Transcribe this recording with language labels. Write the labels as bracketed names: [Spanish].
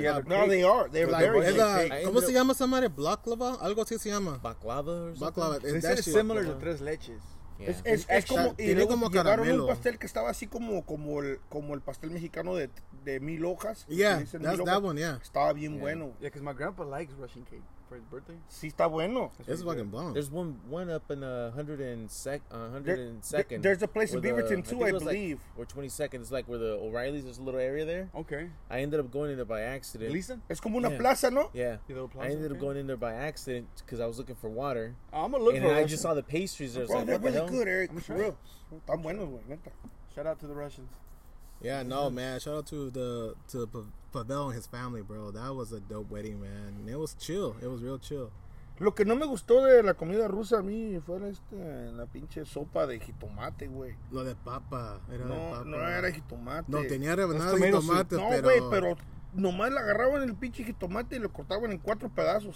[English] Yeah, no, they are. They're like, very good. [Spanish] ¿Cómo se llama esa madre? ¿Baklava? Algo así se llama. [English] Baklava or something. Baklava. This is similar to Tres Leches. Yeah. [Spanish] Es como, y luego como llegaron caramelo. Un pastel que estaba así como el pastel mexicano de mil hojas. [English] Yeah, that's hojas. That one, yeah. [Spanish] Estaba bien bueno. [English] Yeah, because my grandpa likes Russian cake for his birthday. [Spanish] Sí, está bueno. [English] It's fucking bomb. There's one up in 102nd. There's a place in Beaverton, too, I believe. Like, or 22nd. It's like where the O'Reilly's, there's a little area there. Okay. I ended up going in there by accident. Gleason? [Spanish] Es como una plaza, ¿no? [English] Yeah. [Spanish] Plaza, [English] I ended up going in there by accident because I was looking for water. I'm going to look for it. And I just saw the pastries. Bro, they're really good, Eric. For real. [Spanish] Están buenos, güey. [English] Shout out to the Russians. Yeah, no, man. Shout out to Pavel and his family, bro. That was a dope wedding, man. It was chill. It was real chill. [Spanish] Lo que no me gustó de la comida rusa a mí fue la pinche sopa de jitomate, güey. Lo de papa. Era no, de papa, no era jitomate. No, tenía rebanadas de jitomate, no, pero... No, güey, pero nomás le agarraban el pinche jitomate y lo cortaban en cuatro pedazos.